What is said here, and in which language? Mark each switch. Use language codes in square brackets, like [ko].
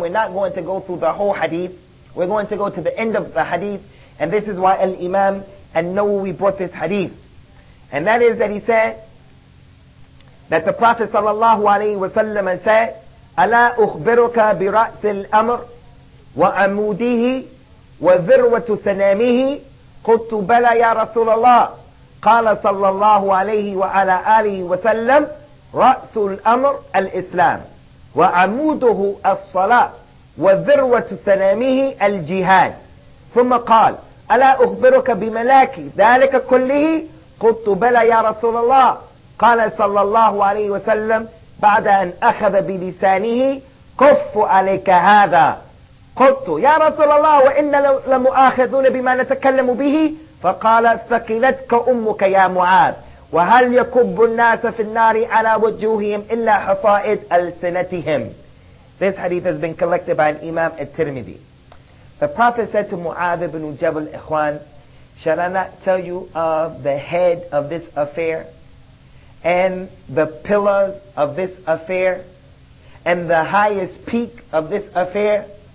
[en] We're not going to go through the whole hadith. We're going to go to the end of the hadith. And this is why Al-Imam An-Nawawi brought this hadith. And that is that he said that the Prophet sallallahu alaihi wasallam said, [ar] أَلَا أُخْبِرُكَ بِرَأْسِ الْأَمْرِ وعموده وذروة سنامه قلت بلى يا رسول الله قال صلى الله عليه وعلى آله وسلم رأس الأمر الإسلام وعموده الصلاة وذروة سنامه الجهاد ثم قال ألا أخبرك بملاكي ذلك كله قلت بلى يا رسول الله قال صلى الله عليه وسلم بعد أن أخذ بلسانه كف عليك هذا قلت يا رسول الله وإن لمؤاخذون بما نتكلم به فقال ثقلتك أمك يا معاذ وهل يكب الناس في النار على وجوههم إلا حصائد ألسنتهم. [en] This hadith has been collected by an Imam at-Tirmidhi. The Prophet said to Mu'adh ibn Jabal, Ikhwan, shall I not tell you of the head of this affair and the pillars of this affair and the highest peak of this affair?